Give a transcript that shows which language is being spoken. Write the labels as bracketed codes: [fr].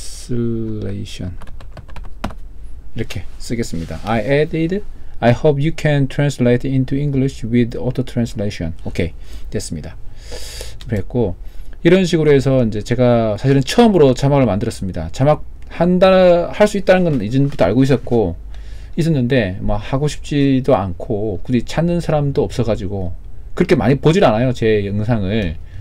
[ko] 트랜슬레이션 이렇게 쓰겠습니다. [en] I added. I hope you can translate into English with auto translation. [ko] 오케이, 됐습니다. 그랬고 이런 식으로 해서 이제 제가 사실은 처음으로 자막을 만들었습니다. 자막 한다 할수 있다는 건 이전부터 알고 있었는데 뭐 하고 싶지도 않고 굳이 찾는 사람도 없어가지고 그렇게 많이 보질 않아요, 제 영상을.